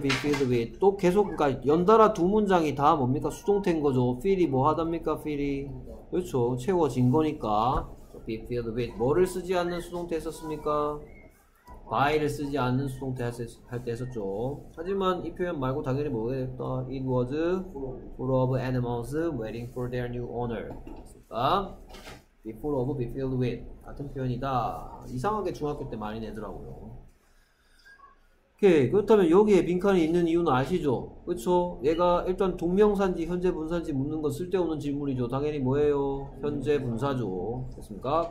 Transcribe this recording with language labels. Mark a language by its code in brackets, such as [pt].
[ko] be filled with 또 계속 그러니까 연달아 두 문장이 다 뭡니까? 수동태인 거죠. fill이 뭐 하답니까? fill이 그렇죠. 채워진 거니까 be filled with 뭐를 쓰지 않는 수동태 했었습니까? by를 쓰지 않는 수동태 할때 했었죠. 하지만 이 표현 말고 당연히 뭐가 됐다. [en] It was full of animals waiting for their new owner. [ko] 됐습니까? Be full of, be filled with 같은 표현이다. 이상하게 중학교 때 많이 내더라고요. 오케이. 그렇다면 여기에 빈칸이 있는 이유는 아시죠? 그렇죠? 얘가 일단 동명사인지 현재 분사인지 묻는 건 쓸데없는 질문이죠. 당연히 뭐예요? 현재 분사죠. 됐습니까?